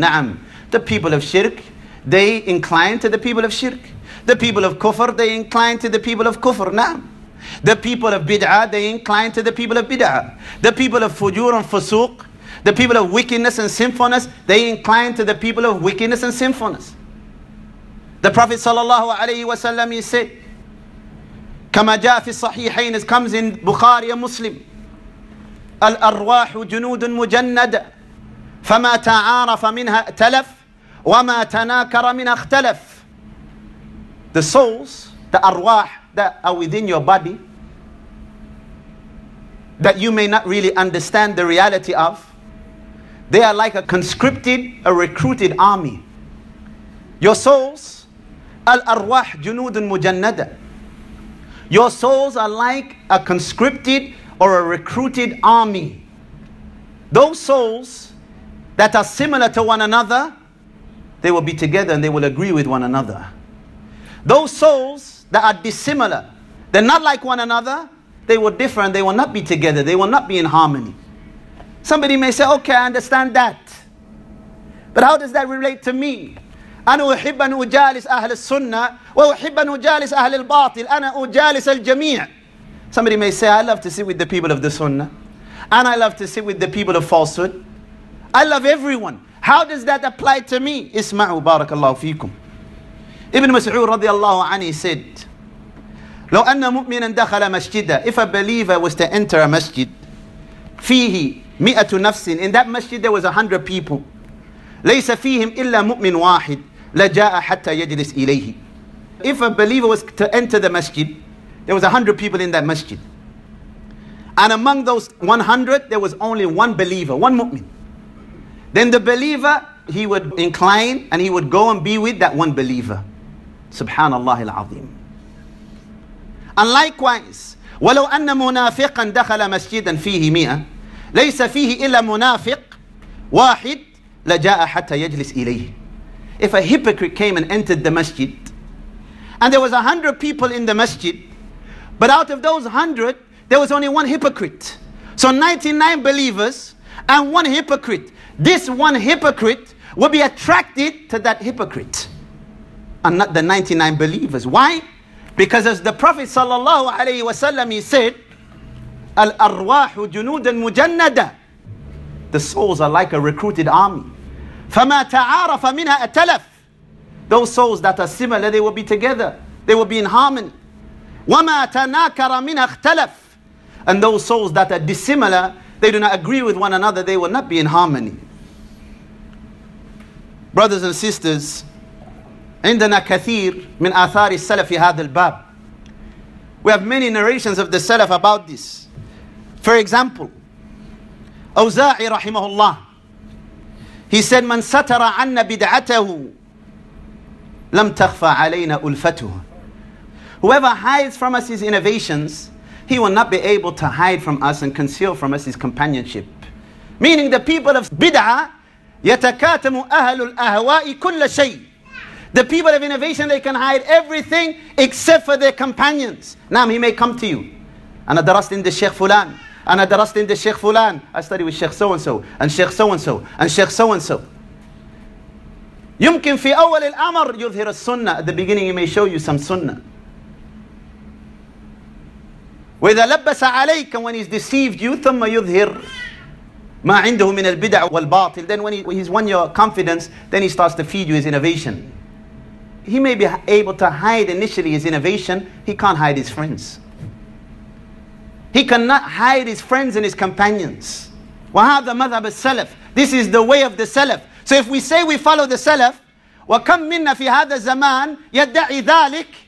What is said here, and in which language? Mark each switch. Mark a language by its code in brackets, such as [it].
[en] Na'am, the people of shirk, they incline to the people of shirk. The people of kufr, they incline to the people of kufr. Na'am. The people of bid'ah, they incline to the people of bid'ah. The people of fujur and fusuq, the people of wickedness and sinfulness, they incline to the people of wickedness and sinfulness. The Prophet sallallahu alayhi wa sallam, he said, [ar] كَمَا جَاءَ فِي الصَّحِيحَيْنِ, [en] it comes in Bukhari and Muslim, [ar] الْأَرْوَاحُ جُنُودٌ مُجَنَّدٌ فَمَا تَعَارَفَ مِنْهَا تَلَفْ وَمَا تَنَاكَرَ مِنْهَا اخْتَلَفْ. [en] The souls, the arwah, that are within your body, that you may not really understand the reality of, they are like a conscripted, a recruited army. Your souls, [ar] al-arwah junudun mujannada. [en] Your souls are like a conscripted or a recruited army. Those souls that are similar to one another, they will be together and they will agree with one another. Those souls that are dissimilar, they're not like one another, they will differ and they will not be together, they will not be in harmony. Somebody may say, okay, I understand that. But how does that relate to me? [ar] أَنَا أُحِبَّ أَنْ أُجَالِسْ أَهْلَ السُّنَّةِ وَأُحِبَّ أَنْ أُجَالِسْ أَهْلِ الْبَاطِلِ أَنَا أُجَالِسَ الْجَمِيعِ. [en] Somebody may say, I love to sit with the people of the sunnah, and I love to sit with the people of falsehood. I love everyone. How does that apply to me? [ar] اسمعوا بارك الله فيكم. Ibn Mas'ud رضي الله عنه said, لو أن مؤمنا دخل مسجدا, [en] if a believer was to enter a masjid, [ar] فيه مئة نفس, [en] in that masjid there was 100 people, [ar] ليس فيهم إلا مؤمن واحد لجاء حتى يجلس إليه. [en] If a believer was to enter the masjid, there was 100 people in that masjid, and among those 100 there was only one believer, one mu'min, then the believer, he would incline and he would go and be with that one believer. [ar] Subhanallah al-Azim. [en] And likewise, [ar] ولو أن منافقا دخل مسجدا فيه مئة ليس فيه إلا منافق واحد لجاء حتى يجلس إليه. [en] If a hypocrite came and entered the masjid, and there was 100 people in the masjid, but out of those 100, there was only one hypocrite. So 99 believers and one hypocrite. This one hypocrite will be attracted to that hypocrite and not the 99 believers. Why? Because as the Prophet sallallahu alayhi wa sallam, he said, [ar] Al-arwahu junudan mujannada. [en] The souls are like a recruited army. [ar] فَمَا تَعَارَفَ مِنْهَا أَتَلَفْ. [en] Those souls that are similar, they will be together. They will be in harmony. [ar] وَمَا تَنَاكَرَ مِنْهَا اخْتَلَفْ. [en] And those souls that are dissimilar, they do not agree with one another, they will not be in harmony. Brothers and sisters, [ar] عندنا كثير من آثار السلف في هذا الباب. [en] We have many narrations of the Salaf about this. For example, [ar] أوزاعي رحمه الله, [en] he said, [ar] من ستر عنا بدعته لم تخفى علينا ألفته. [en] Whoever hides from us his innovations, he will not be able to hide from us and conceal from us his companionship. Meaning the people of bid'ah, [ar] يتكاتم أهل الأهواء كل شيء. [en] The people of innovation, they can hide everything except for their companions. Now he may come to you. [ar] أنا درست عند الشيخ فلان. أنا درست عند الشيخ فلان. [en] I study with Sheikh so-and-so, and Sheikh so-and-so, and Sheikh so-and-so. [ar] يمكن في أول الأمر يظهر السنة. [en] At the beginning he may show you some sunnah. [ar] وَإِذَا لَبَّسَ عَلَيْكَ [en] when he's deceived you, [ar] ثُمَّ يُظْهِرْ مَا عِنْدُهُ مِنَ الْبِدْعُ وَالْبَاطِلِ. [en] Then when he's won your confidence, then he starts to feed you his innovation. He may be able to hide initially his innovation, he can't hide his friends. He cannot hide his friends and his companions. [ar] وَهَذَا مَذْهَبَ السَّلَفِ. [en] This is the way of the Salaf. So if we say we follow the Salaf, [ar] وَكَمْ مِنَّا فِي هَذَا الزَّمَانِ يَدَّعِ ذَلِكَ.